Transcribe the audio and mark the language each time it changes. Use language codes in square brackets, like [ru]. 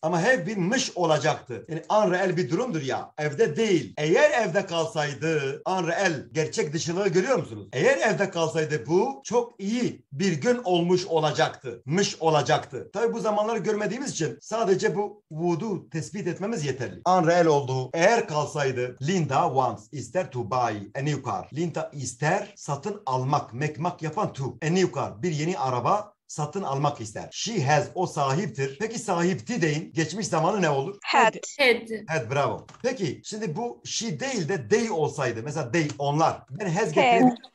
[tr] Ama [en] have been [tr] mış olacaktı. Yani unreal bir durumdur ya. Evde değil. Eğer evde kalsaydı, unreal, gerçek dışılığı görüyor musunuz? Eğer evde kalsaydı bu çok iyi bir gün olmuş olacaktı. Mış olacaktı. Tabii bu zamanları görmediğimiz için sadece bu would'u tespit etmemiz yeterli. Unreal oldu. Eğer kalsaydı, [en] Linda wants, [tr] ister [en] to buy a new car. [tr] Linda ister satın almak, mekmak yapan to, [en] a new car, [tr] bir yeni araba satın almak ister. [en] She has, [tr] o sahiptir. Peki sahipti deyin, geçmiş zamanı ne olur? [en] Had. Had, bravo. [tr] Peki, şimdi bu she değil de they olsaydı, mesela they, onlar. Ben has getirebilirim.